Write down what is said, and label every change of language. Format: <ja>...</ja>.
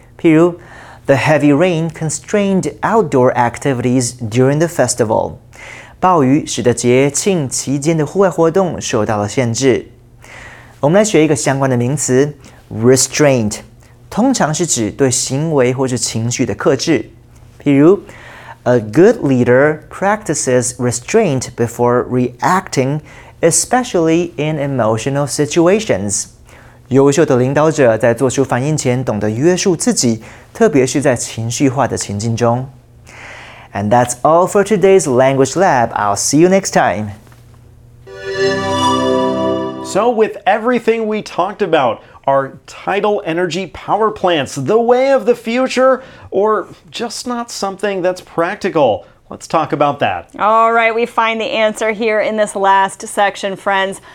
<zh>譬如</zh> <en>The heavy rain constrained outdoor activities during the festival.</en> <zh>暴雨使得节庆期间的户外活动受到了限制。我们来学一个相关的名词 ,restraint, 通常是指对行为或是情绪的克制。譬如</zh> <en>,a good leader practices restraint before reacting, especially in emotional situations.</en> <zh>优秀的领导者在做出反应前懂得约束自己，特别是在情绪化的情境中。</zh> <en>And that's all for today's Language Lab. I'll see you next time. So with everything we talked about, are tidal energy power plants the way of the future or just not something that's practical? Let's talk about that. All right, we find the answer here in this last section, friends.</en>